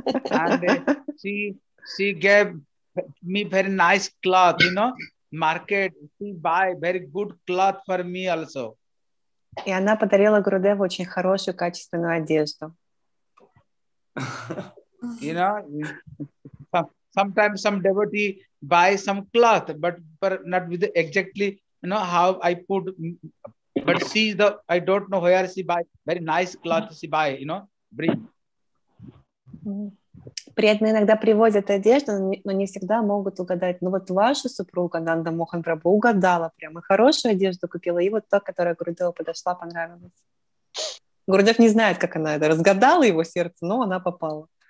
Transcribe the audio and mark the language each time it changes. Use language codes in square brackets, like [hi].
[en] And she gave me very nice cloth, you know, market. She buy very good cloth for me also. [ru] И она подарила Гурудеву очень хорошую качественную одежду. [en] You know, sometimes some devotee buy some cloth, but not with exactly, you know, how I put. But she is the, I don't know where she buy very nice cloth. She buy, you know, bring. [ru] Преданные иногда привозят одежду, но не всегда могут угадать. Ну вот ваша супруга Нанда Мохан Прабху угадала прямо, хорошую одежду купила, и вот та, которая Гурудеву подошла, понравилась. Гурудев не знает, как она это разгадала его сердце, но она попала.